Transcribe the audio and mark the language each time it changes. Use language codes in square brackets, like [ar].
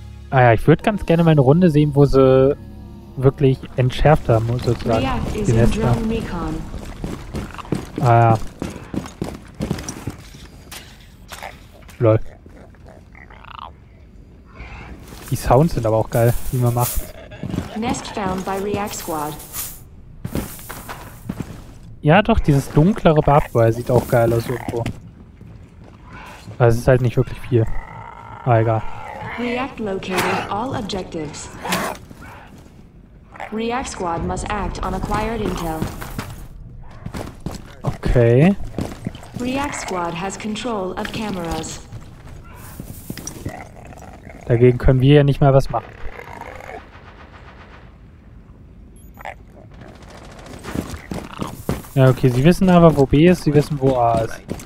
[de] Ah ja, ich würde ganz gerne mal eine Runde sehen, wo sie wirklich entschärft haben, sozusagen. Die Nester. Ah ja. Lol. Die Sounds sind aber auch geil, wie man macht. [en] Nest found by React Squad. [de] Ja, doch, dieses dunklere Barbwehr sieht auch geil aus irgendwo. Aber es ist halt nicht wirklich viel. Ah, egal. [en] React located all objectives. React Squad must act on acquired intel. Okay. React Squad has control of cameras. [de] Dagegen können wir ja nicht mal was machen. Ja, okay, sie wissen aber, wo B ist, sie wissen, wo A ist.